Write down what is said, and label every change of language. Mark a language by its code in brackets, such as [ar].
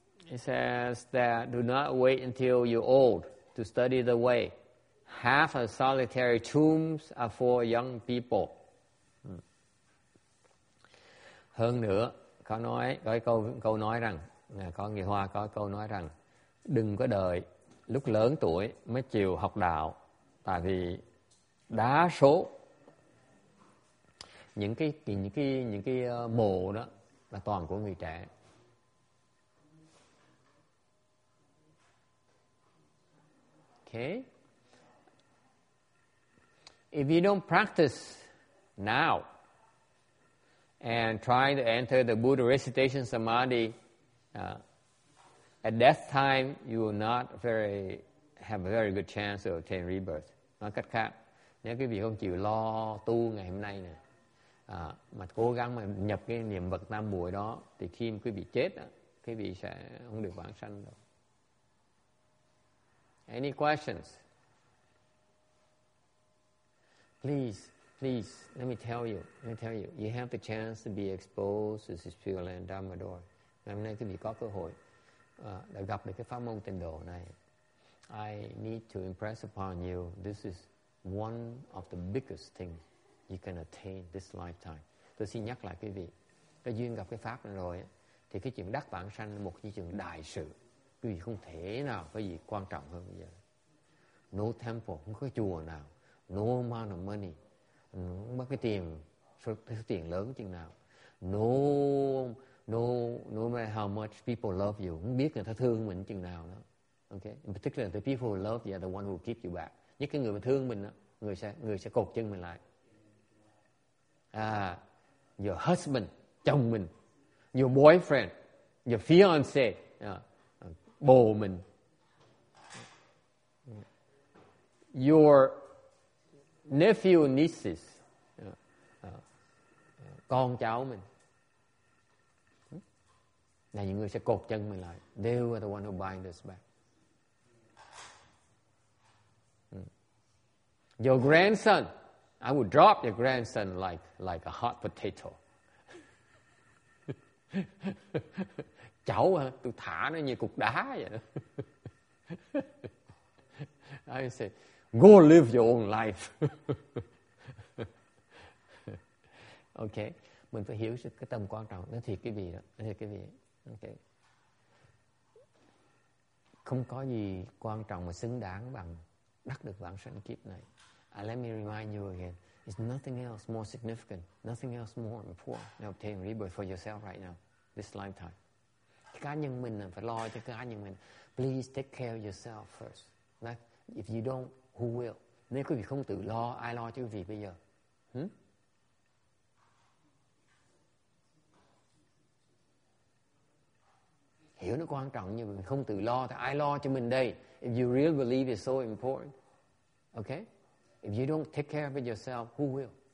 [en] It says that do not wait until you're old to study the way. Half of solitary tombs are for young people. [vi] Hơn nữa, có câu nói rằng đừng có đợi lúc lớn tuổi mới chịu học đạo, tại vì đa số những cái mộ đó là toàn của người trẻ. [en] Okay. If you don't practice now and try to enter the Buddha recitation samadhi at death time, you will not have a very good chance to attain rebirth. [vi] Nói cách khác, nếu quý vị không chịu lo tu ngày hôm nay nè, mà cố gắng mà nhập cái niệm Phật Tam Muội đó, thì khi quý vị chết, quý vị sẽ không được vãng sanh đâu. [en] Any questions? Please, let me tell you, you have the chance to be exposed to this Pure Land Dharma Door. [vi] Ngày hôm nay quý vị có cơ hội để gặp được cái pháp môn tịnh độ này. [en] I need to impress upon you, this is one of the biggest things you can attain this lifetime. [vi] Tôi xin nhắc lại quý vị, cái duyên gặp cái pháp này rồi, thì cái chuyện đắc vãng sanh là một cái chuyện đại sự. Quý vị không thể nào có gì quan trọng hơn bây giờ. [en] No temple, [vi] không có chùa nào, [en] No amount of money, no marketing, [vi] số tiền lớn chừng nào. [en] No matter how much people love you, [vi] không biết người ta thương mình chừng nào đó. [en] Okay? In particular, the people who love you are the one who keep you back. [vi] Nhất cái người mà thương mình đó, người sẽ cột chân mình lại. [en] Your husband, [vi] chồng mình, [en] your boyfriend, your fiance, [vi] bồ mình. [en] Your nephew, nieces, [vi] con cháu mình. Là những người sẽ cột chân mình lại. [en] They are the one who bind us back. Your grandson, I would drop your grandson like a hot potato. [vi] Cháu hả? Tôi thả nó như cục đá vậy đó. [en] I would say, go live your own life. [vi] Okay, mình phải hiểu cái tầm quan trọng. Nói thiệt cái gì đó, nói thiệt cái gì. Okay. Không có gì quan trọng mà xứng đáng bằng đắc được vãng sanh kiếp này. [en] Let me remind you again. It's nothing else more significant, nothing else more important than obtaining rebirth for yourself right now, this lifetime. [vi] Cá nhân mình phải lo cho cá nhân mình. [en] Please take care of yourself first. Right? If you don't, who will? [vi] Nếu quý vị không tự lo, ai lo cho quý vị bây giờ? Hiểu nó quan trọng, nhưng mình không tự lo thì ai lo cho mình đây? [en] If you really believe it's so important, okay? If you don't take care of it yourself, who will?